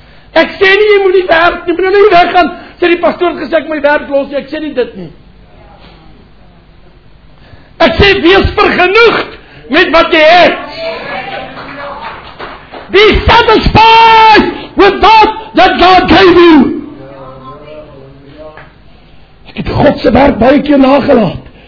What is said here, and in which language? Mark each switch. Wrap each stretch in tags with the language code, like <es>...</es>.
<af>Ek sê nie, jy moet nie werk nie, moet nie weggaan, sê die pastoor gesê, ek my werk los nie, ek sê nie dit nie. Ek sê, wees vergenoegd met wat jy het.</af> <en>Be satisfied with that that God gave you.</en> <af>Ek het Godse werk baie keer nagelaat.</af>